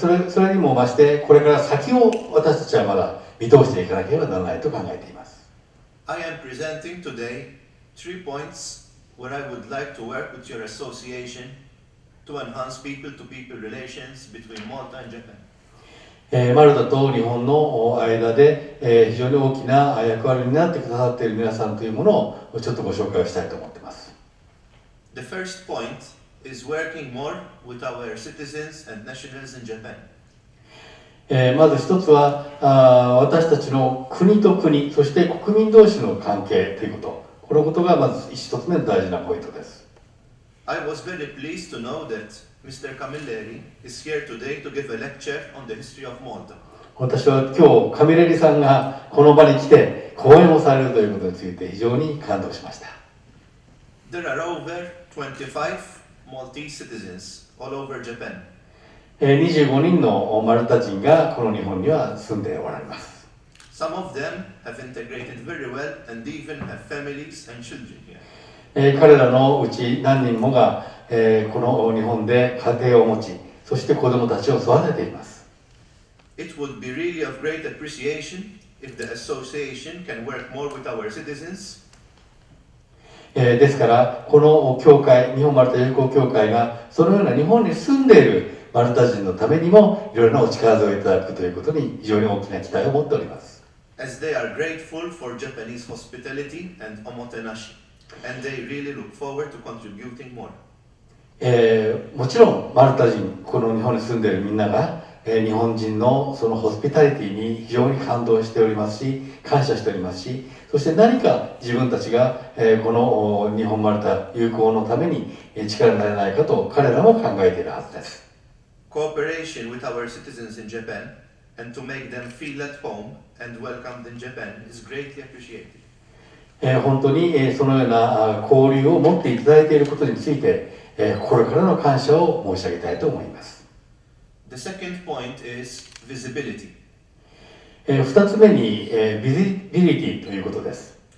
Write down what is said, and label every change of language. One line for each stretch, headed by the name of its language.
Japanese: それにもまして、これから先を私たちはまだ見通していかなければならないと考えています。
English: I am presenting today three points where I would like to work with your association to enhance people-to-people relations between Malta and Japan.
Japanese: マルタと日本の間で、非常に大きな役割になってくださっている皆さんというものをちょっとご紹介をしたいと思っています。
English: The first point is working more with our citizens and nationals in Japan.
Japanese: まず一つは、私たちの国と国、そして国民同士の関係ということ。このことがまず一つ目の大事なポイントです。
English: I was very pleased to know that Mr. Camilleri is here today to give a lecture on the history of Malta.
Japanese: 私は今日、カミレリさんがこの場に来て講演をされるということについて非常に感動しました。
English: There are over 25 Maltese citizens all over Japan.
Japanese: 25人のマルタ人がこの日本には住んでおられます。
English: Some of them have integrated very well and even have families and children here.
Japanese: 彼らのうち何人もが、この日本で家庭を持ち、そして子供たちを育てています。
English: It would be really of great appreciation if the association can work more with our citizens.
Japanese: ですからこの教会、日本マルタ友好教会がそのような日本に住んでいるマルタ人のためにもいろいろなお力添えいただくということに非常に大きな期待を持っております。
English: As they are grateful for Japanese hospitality and omotenashi, and they really look forward to contributing more.
Japanese: もちろんマルタ人、この日本に住んでいるみんなが、日本人のそのホスピタリティに非常に感動しておりますし、感謝しておりますし、そして何か自分たちが、この日本マルタ友好のために力になれないかと彼らも考えているはずです。
English: Cooperation with our citizens in Japan and to make them feel at home and welcomed in Japan is greatly appreciated.
Japanese: 本当に、そのような交流を持っていただいていることについて、心からの感謝を申し上げたいと思います。
English: The second point is visibility.
Japanese: 二つ目に、ビジビリティということです。